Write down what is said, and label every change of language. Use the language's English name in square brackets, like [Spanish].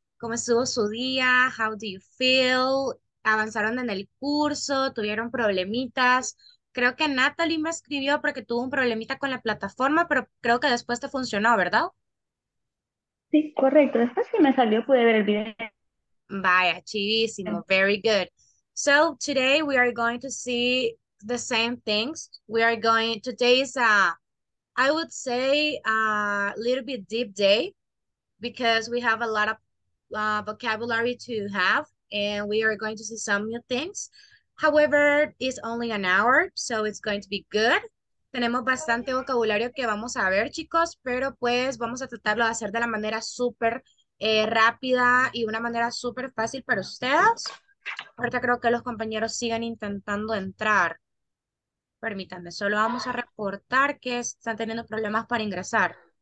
[Spanish] ¿Cómo estuvo su día? [English] How do you feel? [Spanish] ¿Avanzaron en el curso? ¿Tuvieron problemitas? Creo que Natalie me escribió porque tuvo un problemita con la plataforma, pero creo que después te funcionó, ¿verdad? Sí, correcto. Después que me salió, pude ver el video. Vaya, chivísimo, [English] very good. So today we are going to see the same things. We are going, today's I would say a little bit deep day because we have a lot of vocabulary to have and we are going to see some new things. However, it's only an hour, so it's going to be good. [Spanish] Tenemos bastante vocabulario que vamos a ver, chicos, pero pues vamos a tratarlo de hacer de la manera súper rápida y una manera súper fácil para ustedes. Ahorita creo que los compañeros siguen intentando entrar. Permítanme, solo vamos a reportar que están teniendo problemas para ingresar.